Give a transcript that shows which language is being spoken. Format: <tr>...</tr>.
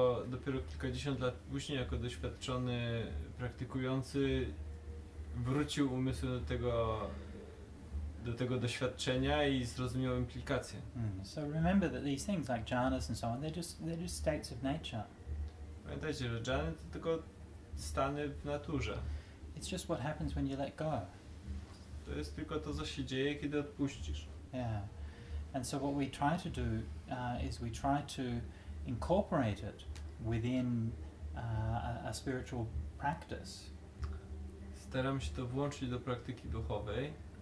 <pl>Dopiero kilkadziesiąt lat później, jako doświadczony praktykujący, wrócił umysł do tego doświadczenia i zrozumiał implikacje.</pl> <en>So remember that these things like jhanas and so on, they're just states of nature.</en> <pl>Pamiętajcie, że jhany to tylko stany w naturze.</pl> <en>It's just what happens when you let go.</en> <pl>To jest tylko to, co się dzieje, kiedy odpuścisz.</pl> <en>Yeah. And so what we try to do is we try to incorporate it within a spiritual practice.</en> <pl>Staram się to włączyć do praktyki duchowej.</pl>